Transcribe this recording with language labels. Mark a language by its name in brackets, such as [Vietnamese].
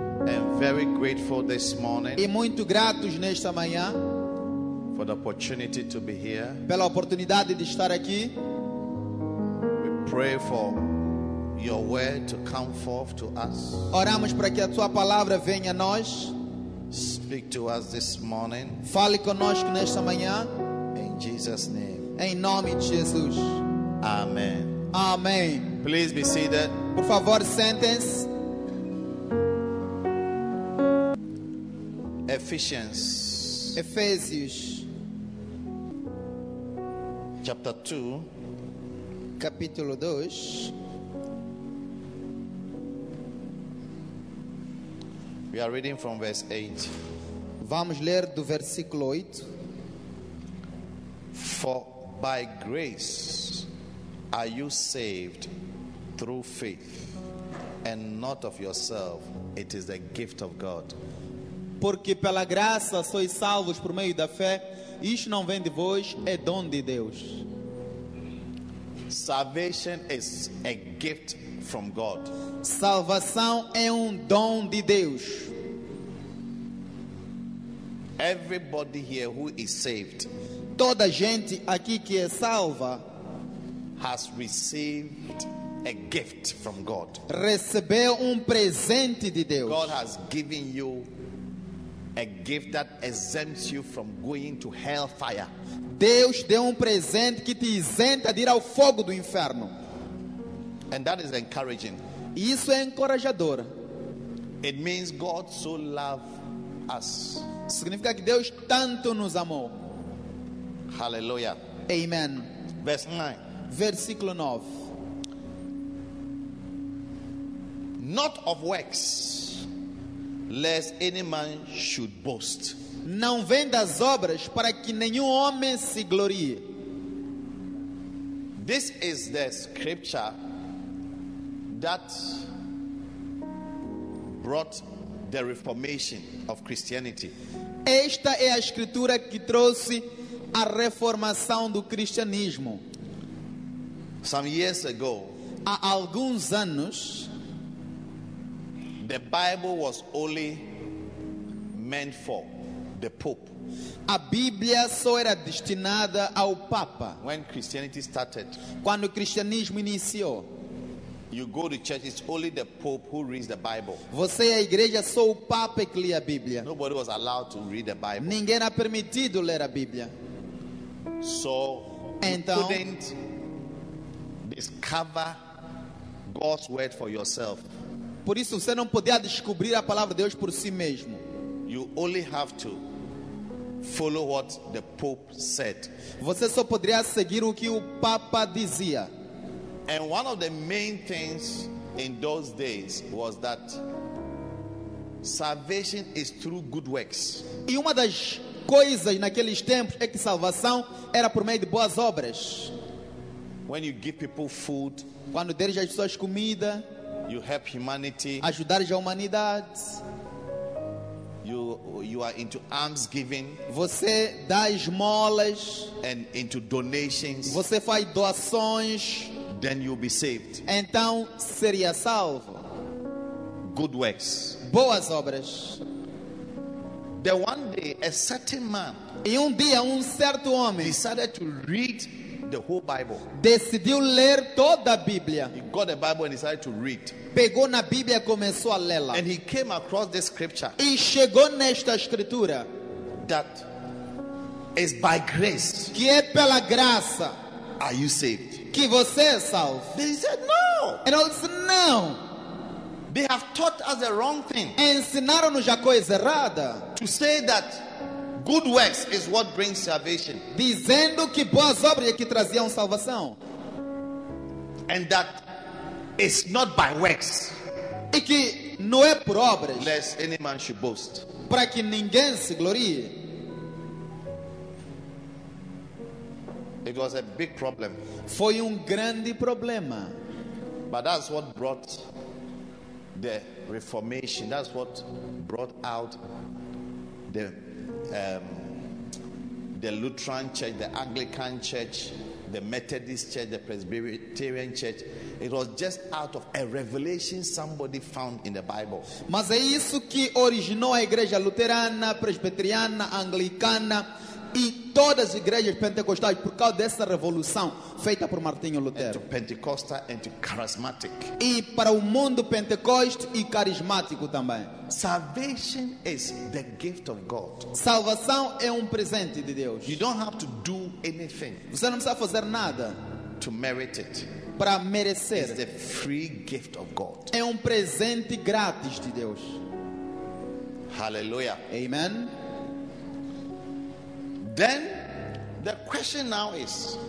[English] And very grateful this morning. [Portuguese] E muito gratos nesta manhã. [English] For the opportunity to be here. [Portuguese] Pela oportunidade de estar aqui. [English] We pray for your word to come forth to us. [Portuguese] Oramos para que a tua palavra venha a nós. [English] Speak to us this morning. [Portuguese] Fale conosco nesta manhã. [English] In Jesus' name. [Portuguese] Em nome de Jesus. [English] Amen. [Portuguese] Amém. [English] Please be seated. [Portuguese] Por favor, sentem-se. [English] Ephesians. [Portuguese] Efésios. [English] Chapter 2. [Portuguese] Capítulo 2. [English] We are reading from verse 8. [Portuguese] Vamos ler do versículo 8. [English] For by grace are you saved through faith, and not of yourself. It is the gift of God. [Portuguese] Porque pela graça sois salvos por meio da fé. Isto não vem de vós, é dom de Deus. [English] Salvation is a gift from God. [Portuguese] Salvação é dom de Deus. [English] Everybody here who is saved, [Portuguese] toda gente aqui que é salva, [English] has received a gift from God. [Portuguese] Recebeu presente de Deus. [English] God has given you a gift that exempts you from going to hellfire. [Portuguese] Deus deu presente que te isenta de ir ao fogo do inferno. [English] And that is encouraging. [Portuguese] Isso é encorajador. [English] It means God so loved us. [Portuguese] Significa que Deus tanto nos amou. [English] Hallelujah. Amen. Verse 9. [Portuguese] Versículo 9. [English] Not of works, lest any man should boast. [Portuguese] Não vem das obras, para que nenhum homem se glorie. [English] This is the scripture that brought the reformation of Christianity. [Portuguese] Esta é a escritura que trouxe a reformação do cristianismo. [English] Some years ago, [Portuguese] há alguns anos, [English] the Bible was only meant for the Pope. [Portuguese] A Bíblia só era destinada ao Papa. [English] When Christianity started, [Portuguese] quando o cristianismo iniciou, [English] you go to church, it's only the Pope who reads the Bible. [Portuguese] Você é a igreja, só o Papa que lê a Bíblia. [English] Nobody was allowed to read the Bible. [Portuguese] Ninguém era permitido ler a Bíblia. [English] So, [Portuguese] então, [English] you couldn't discover God's word for yourself. [Portuguese] Por isso você não podia descobrir a palavra de Deus por si mesmo. [English] You only have to follow what the Pope said. [Portuguese] Você só poderia seguir o que o Papa dizia. [English] And one of the main things in those days was that salvation is through good works. [Portuguese] E uma das coisas naqueles tempos é que salvação era por meio de boas obras. [English] When you give people food, [Portuguese] quando deres às pessoas comida, [English] you help humanity, [Portuguese] ajudares a humanidade, [English] you are into almsgiving, [Portuguese] você dá esmolas, [English] and into donations, [Portuguese] você faz doações, [English] then you'll be saved. [Portuguese] Então seria salvo. [English] Good works. [Portuguese] Boas obras. [English] The one day a certain man, [Portuguese] e dia certo homem, [English] decided to read the whole Bible. [Portuguese] Decidiu ler toda a Bíblia. [English] He got the Bible and decided to read. [Portuguese] Pegou na Bíblia e começou a lê-la. [English] And he came across this scripture. [Portuguese] E chegou nesta escritura. [English] That is by grace. [Portuguese] Que é pela graça. [English] Are you saved? [Portuguese] Que você é salvo. [English] They said no. And I was no. They have taught us the wrong thing. [Portuguese] Ensinaram-nos a coisa errada. [English] To say that Good works is what brings salvation. [Portuguese] Dizendo que boas obras é que traziam salvação. [English] And that it's not by works. [Portuguese] E que não é por obras. [English] Lest any man should boast. [Portuguese] Para que ninguém se glorie. [English] It was a big problem. [Portuguese] Foi grande problema. [English] But that's what brought the reformation. That's what brought out the Lutheran church, the Anglican church, the Methodist church, the Presbyterian church. It was just out of a revelation somebody found in the Bible. [Portuguese] Mas é isso que originou a igreja luterana, presbiteriana, anglicana e todas as igrejas pentecostais por causa dessa revolução feita por Martinho Lutero. [English] And to Pentecostal and to charismatic. [Portuguese] E para o mundo pentecoste e carismático também. [English] Salvation is the gift of God. [Portuguese] Salvação é presente de Deus. [English] You don't have to do anything. [Portuguese] Você não precisa fazer nada [English] to merit it. [Portuguese] Para merecer. [English] It's the free gift of God. [Portuguese] É presente grátis de Deus. [English] Hallelujah. Amen. Then the question now is,